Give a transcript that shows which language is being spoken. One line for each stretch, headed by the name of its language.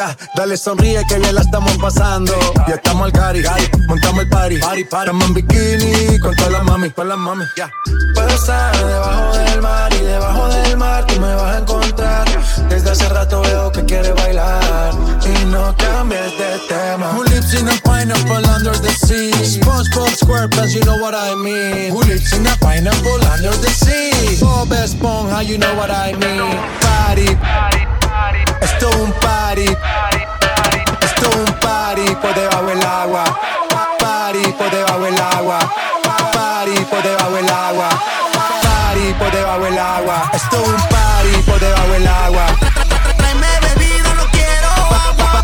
Spanish: Ya, dale sonríe que ya la estamos pasando. Ya estamos al gari, montamos el party. Estamos en bikini con todas las mami, con las mami. Puedo estar debajo del mar y debajo del mar tú me vas a encontrar. Desde hace rato veo que quieres bailar y no cambies de tema.
English: Who lives in a pineapple under the sea? SpongeBob SquarePants, you know what I mean. Who lives in a pineapple under the sea? Bob Esponja, you know what I mean.
Spanish: Party. Esto es un party. Esto es un party por debajo del agua. Party por debajo del agua. Party por debajo del agua. Party por debajo del agua. Esto es un party por debajo del agua. Tráeme bebida, no quiero agua.